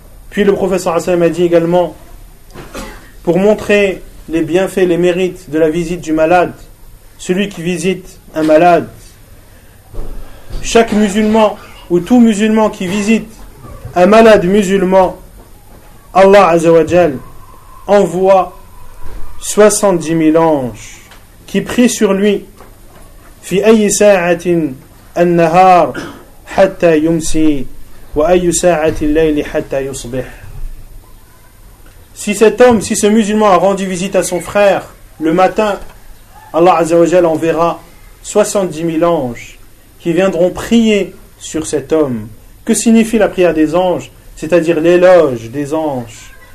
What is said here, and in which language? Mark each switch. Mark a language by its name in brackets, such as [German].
[French] Puis le professeur Hassan m'a dit également, pour montrer les bienfaits, les mérites de la visite du malade, celui qui visite un malade, chaque musulman ou tout musulman qui visite un malade musulman, Allah Azza wa Jalla envoie 70 000 anges qui prient sur lui. [Arabic] في أي ساعة النهار حتى يمسي وأي ساعة الليل حتى يصبح. [French] Si cet homme, si ce musulman a rendu visite à son frère le matin, Allah Azza wa Jal enverra 70 000 anges qui viendront prier sur cet homme. Que signifie la prière des anges? C'est-à-dire l'éloge des anges.